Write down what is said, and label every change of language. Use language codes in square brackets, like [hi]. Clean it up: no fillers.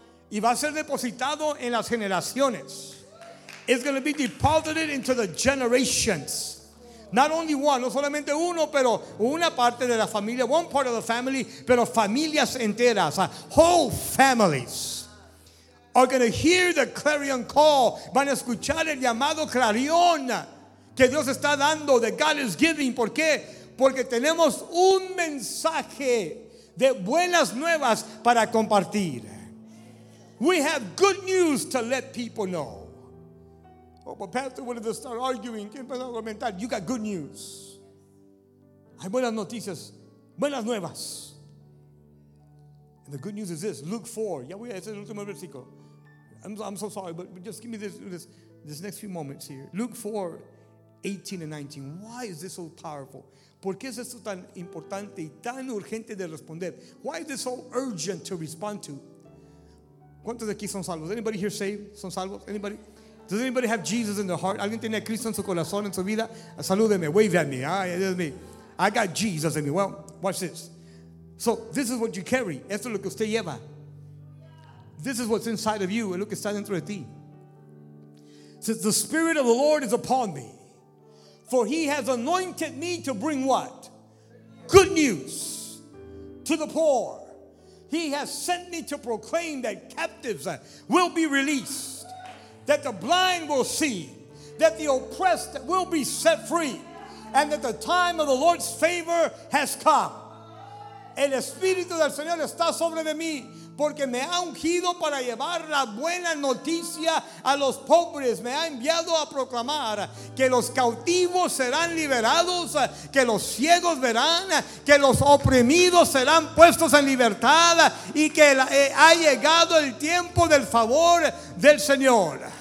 [es] Y va a ser depositado en las generaciones. [en] It's going to be deposited into the generations. Not only one, [es] no solamente uno, pero una parte de la familia, [en] one part of the family, [es] pero familias enteras, [en] whole families are going to hear the clarion call. [es] Van a escuchar el llamado clarion que Dios está dando, [en] that God is giving. [es] ¿Por qué? Porque tenemos un mensaje de buenas nuevas para compartir. [en] We have good news to let people know. Oh, but pastor, what if they start arguing? You got good news. [es] Hay buenas noticias. Buenas nuevas. [en] And the good news is this. Luke 4. [es] Ya voy a decir el último versículo. [en] I'm so sorry, but just give me this next few moments here. Luke 4:18-19. Why is this so powerful? [es] ¿Por qué es esto tan importante y tan urgente de responder? [en] Why is this so urgent to respond to? [es] ¿Cuántos de aquí son salvos? [en] Anybody here saved? [es] ¿Son salvos? [en] Anybody? Does anybody have Jesus in their heart? [es] ¿Alguien tiene a Cristo en su corazón, en su vida? Salúdeme, [en] wave at me. Ah, it is me. I got Jesus in me. Well, watch this. So, this is what you carry. [es] Esto es lo que usted lleva. [en] This is what's inside of you. [es] Es lo que está dentro de ti. [en] Since the Spirit of the Lord is upon me, for he has anointed me to bring what? Good news to the poor. He has sent me to proclaim that captives will be released, that the blind will see, that the oppressed will be set free, and that the time of the Lord's favor has come. [es] El Espíritu del Señor está sobre de mí, porque me ha ungido para llevar la buena noticia a los pobres. Me ha enviado a proclamar que los cautivos serán liberados, que los ciegos verán, que los oprimidos serán puestos en libertad, y que ha llegado el tiempo del favor del Señor.